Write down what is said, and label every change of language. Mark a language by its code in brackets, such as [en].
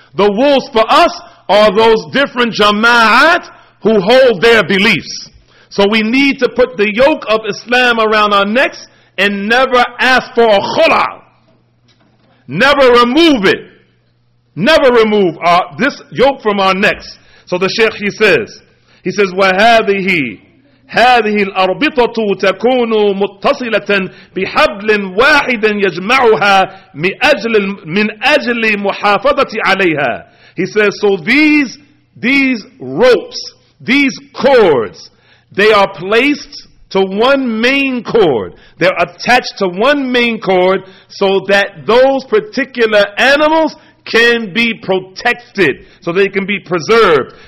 [en] The wolves for us are those different jama'at who hold their beliefs. So we need to put the yoke of Islam around our necks and never ask for a khula. Never remove it. Never remove this yoke from our necks. So the Sheikh, he says, [ar] وَهَذِهِ الْأَرْبِطَةُ تَكُونُ مُتَّصِلَةً بِحَبْلٍ وَاحِدٍ يَجْمَعُهَا مِنْ أَجْلِ مُحَافَظَةِ عَلَيْهَا. [en] He says, so these ropes, these cords, they are placed to one main cord. They're attached to one main cord so that those particular animals can be protected, so they can be preserved.